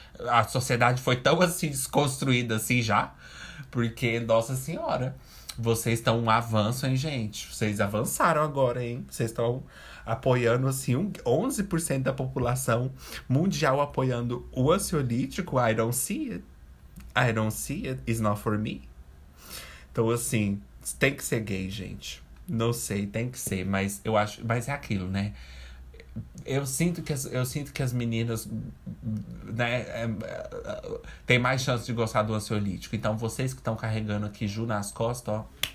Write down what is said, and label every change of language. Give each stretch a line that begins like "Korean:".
Portuguese: A sociedade foi tão assim desconstruída assim já? Porque, nossa senhora, vocês estão um avanço, hein, gente? Vocês avançaram agora, hein? Vocês estão apoiando assim 11% da população mundial apoiando o ansiolítico.
English: I don't see it. I don't see it, it's not for me.
Portuguese: Então, assim, tem que ser gay, gente. Não sei, tem que ser, mas eu acho. Mas é aquilo, né? Eu sinto que as meninas, né, tem mais chance de gostar do ansiolítico. Então, vocês que estão carregando aqui Ju nas costas, ó.